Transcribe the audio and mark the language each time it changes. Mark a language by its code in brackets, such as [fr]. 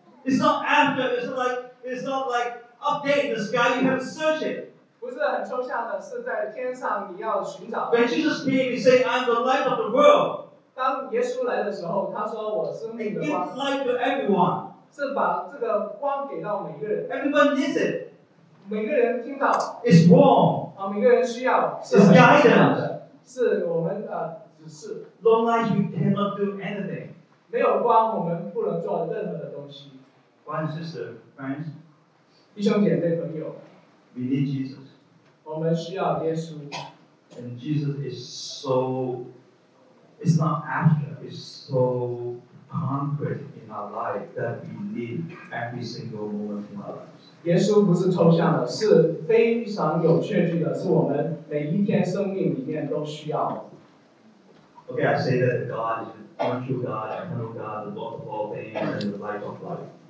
[en] It's not after, it's not like up there in the sky, you have to search it. [zh] 不是很抽象的，是在天上你要寻找。 [en] When Jesus came, he said, I'm the light of the world. [zh] 当耶稣来的时候，他说我生命的光。 [en] He gives light to everyone. [zh] 是把这个光给到每个人。 [en] Everyone needs it. [zh] 每个人听到。 [en] It's warm. [zh] 啊，每个人需要。 [en] It's guidance. [zh] 是我们指示。 [en] No light, you cannot do anything. [zh] 没有光，我们不能做任何的东西。 [en] One sister, friends, [zh] 弟兄姐妹朋友 [en] we need Jesus. [zh] 我们需要耶稣 [en] And Jesus is so, it's not after, it's so concrete in our life that we need every single moment in our lives. [zh] 耶稣不是抽象的，是非常有确据的，是我们每一天生命里面都需要。 [en] Okay, I say that God is one true God, eternal God, the Lord of all things, and the light of life.